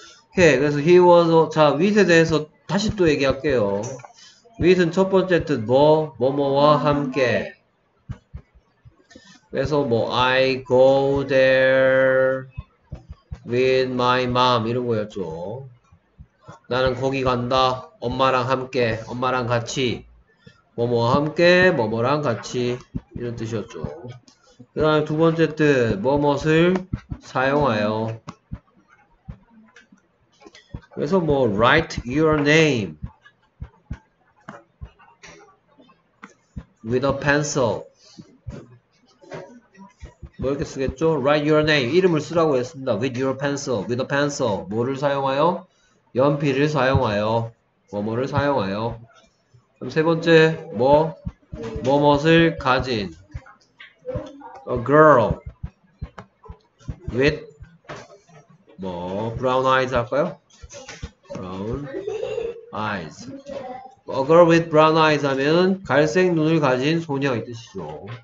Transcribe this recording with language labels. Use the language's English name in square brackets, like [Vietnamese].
[Korean] 오케이, 그래서 [English] he was, [Korean] 자, 윗에 대해서 다시 또 얘기할게요. 윗은 첫 번째 뜻, 뭐, 뭐뭐와 함께. 그래서 뭐, [English] I go there with my mom. [Korean] 이런 거였죠. 나는 거기 간다. 엄마랑 함께. 엄마랑 같이. 뭐뭐와 함께. 뭐뭐랑 같이. 이런 뜻이었죠. 그 다음에 두 번째 뜻. 뭐뭇을 사용하여. 그래서 뭐 [English] write your name with a pencil. [Korean] 뭐 이렇게 쓰겠죠? [English] write your name. [Korean] 이름을 쓰라고 했습니다. [English] with your pencil. with a pencil. [Korean] 뭐를 사용하여? 연필을 사용하여. 뭐뭐를 사용하여. 그럼 세 번째 뭐 뭐뭇을 가진. [English] A girl with 뭐 brown eyes [Korean] 할까요? [English] brown eyes. A girl with brown eyes [Korean] 하면 갈색 눈을 가진 소녀의 뜻이죠.